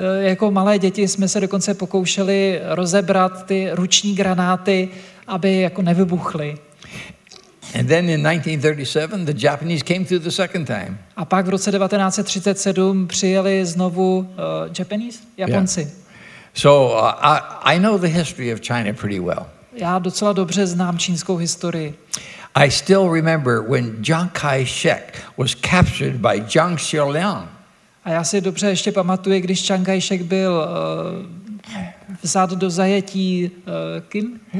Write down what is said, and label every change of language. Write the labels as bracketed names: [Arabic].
[Czech] Jako malé děti jsme se dokonce pokoušeli rozebrat ty ruční granáty, aby jako nevybuchly. [English] And then in 1937 the Japanese came through the second time. [Czech] A pak v roce 1937 přijeli znovu Japanese, Japonci. [English] Yeah. So I know the history of China pretty well. [Czech] Já docela dobře znám čínskou historii. [English] I still remember when Chiang Kai-shek was captured by Zhang Xueliang. [Czech] A já si dobře ještě pamatuju, když Chiang Kai-shek byl vzat do zajetí kým?